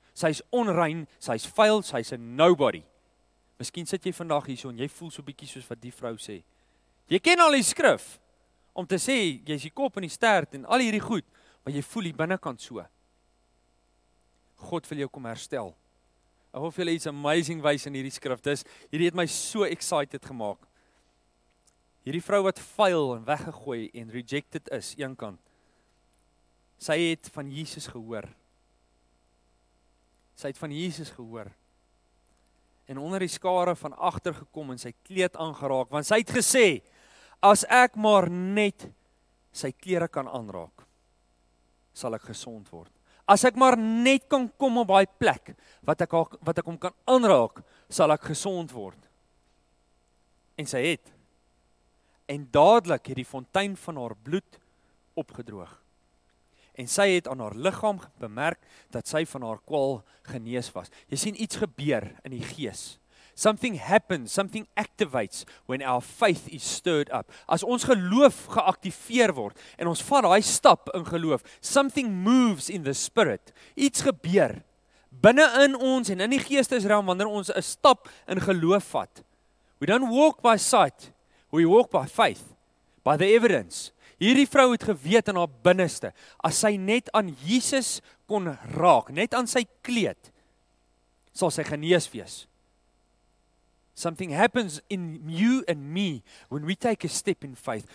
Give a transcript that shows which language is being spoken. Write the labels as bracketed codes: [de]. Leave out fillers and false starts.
[af] Sy is onrein, sy is vuil, sy is 'n nobody. Miskien sit jy vandag hier so en jy voel so bietjie soos wat die vrou sê. Jy ken al die skrif om te sê, jy is die kop en die stert en al hierdie goed, maar jy voel die binnenkant so. God wil jou kom herstel. Ek hoor vir julle iets amazing wys in hierdie skrif. Dis, hierdie het my so excited gemaak. Hierdie vrou wat vuil en weggegooi en rejected is, een kant. Sy het van Jesus gehoor. Sy het van Jesus gehoor. en onder die skare van agter gekom en sy kleed aangeraak, want sy het gesê, as ek maar net sy klere kan aanraak, sal ek gesond word. As ek maar net kan kom op daai plek, wat ek hom kan aanraak, sal ek gesond word. En sy het. En dadelijk het die fontein van haar bloed opgedroog. En sy het aan haar liggaam bemerk, dat sy van haar kwal genees was. Jy sien iets gebeur in die gees. [en] Something happens, something activates when our faith is stirred up. [af] As ons geloof geaktiveer word en ons vat daai stap in geloof, [en] something moves in the spirit. [af] Iets gebeur binne in ons en in die geestesruim wanneer ons 'n stap in geloof vat. [en] We don't walk by sight, we walk by faith, by the evidence. [af] Hierdie vrou het geweet in haar binneste, as sy net aan Jesus kon raak, net aan sy kleed, sal sy genees wees. [en] Something happens in you and me when we take a step in faith.